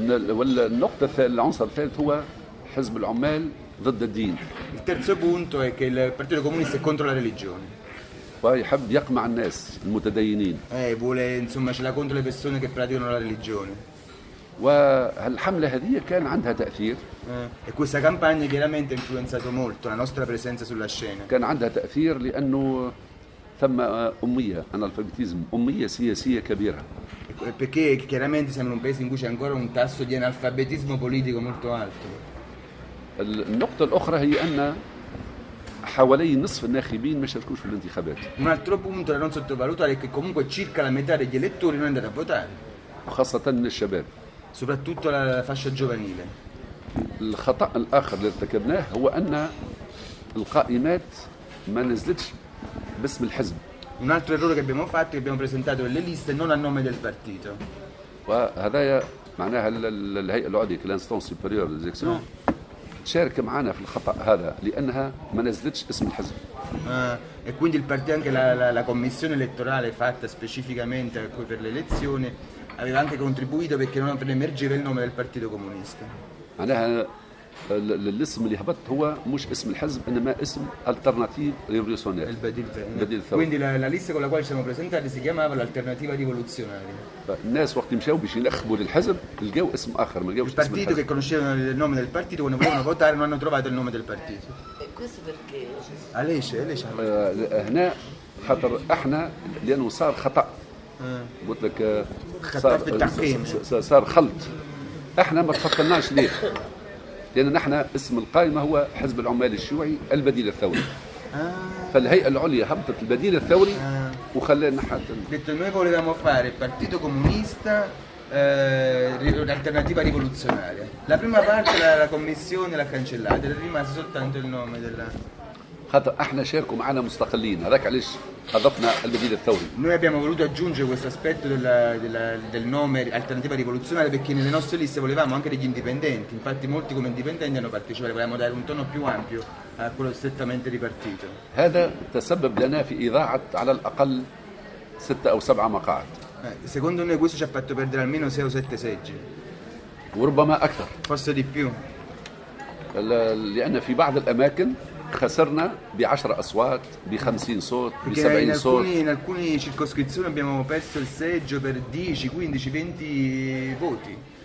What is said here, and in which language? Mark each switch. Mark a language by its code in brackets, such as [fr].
[ar] والنقطة الثالثة العنصر الثالث هو حزب العمال ضد الدين. [it] Il terzo punto è che il Partito Comunista è contro la religione. [ar] ويحب يقمع الناس المتدينين. [it] Vuole insomma ce l'ha contro le persone che praticano la religione. [ar] والحملة هذه كان عندها تأثير. [it] E questa campagna chiaramente ha influenzato molto la nostra presenza sulla scena. [ar] كان عندها تأثير لأنه ثم أمية analfabetism أمية سياسية كبيرة. [it] Perché chiaramente siamo in un paese in cui c'è ancora un tasso di analfabetismo politico molto alto. [ar] النقطة الأخرى هي أن حوالي نصف الناخبين ما شاركوش في الانتخابات. [it] Un altro punto da non sottovalutare è che comunque circa la metà degli elettori non è andata a votare. [ar] وخاصة الشباب. [it] Soprattutto la fascia giovanile. [ar] الخطأ الآخر اللي ارتكبناه هو أن القائمات ما نزلتش باسم الحزب. [it] Un altro errore che abbiamo fatto è che abbiamo presentato le liste non a nome del partito. [ar] وهذا معناها الهيئة العليا كلانستانس سوبيريور ديزيكسيون تشارك معنا في الخطأ هذا لأنها ما نزلتش اسم الحزب. [it] E quindi il partito, anche la commissione elettorale fatta specificamente per l'elezione, aveva anche contribuito perché non emergeva il nome del Partito Comunista. [ar] معناها الاسم اللي هبط هو مش اسم الحزب انما اسم الالتيرناتيف ريفولوشنير البديل الثوري. [it] Quindi la lista con la quale ci siamo presentati si chiamava l'alternativa rivoluzionaria. [ar] الناس وقت مشاو باش ينخبوا للحزب لقاو اسم اخر ما لقاوش اسم الحزب. [it] Partito che conoscevano il nome del partito quando volevano votare non hanno trovato il nome del partito. E questo perché? Alice [ar] هنا خاطر احنا لانه صار خطا. قلت لك خطا في التحكيم صار خلط. احنا ما تفكرناش ليه؟ لأن نحن اسم القائمة هو حزب العمال الشيوعي البديل الثوري. فالهيئة العليا هبطت البديل الثوري وخلينا نحن قلت [it] noi volevamo fare il partito comunista l'alternativa rivoluzionaria. La prima parte la commissione l'ha cancellata, è rimasto soltanto il nome della. [ar] خاطر احنا شاركوا معنا مستقلين هذاك علاش اضفنا البديل الثوري. [it] Noi abbiamo voluto aggiungere questo aspetto del nome alternativa rivoluzionaria perché nelle nostre liste volevamo anche degli indipendenti, infatti molti come indipendenti hanno partecipato, volevamo dare un tono più ampio a quello strettamente di partito. [ar] هذا تسبب لنا في اضاعه على الاقل 6 او 7 مقاعد. [it] Secondo noi questo ci ha fatto perdere almeno 6 o 7 seggi. [ar] وربما اكثر. [it] Forse di più. [ar] لان في بعض الاماكن خسرنا بعشر أصوات بخمسين صوت بسبعين صوت. [it] Perché in alcune circoscrizioni abbiamo perso il seggio per 10, 15, 20 voti.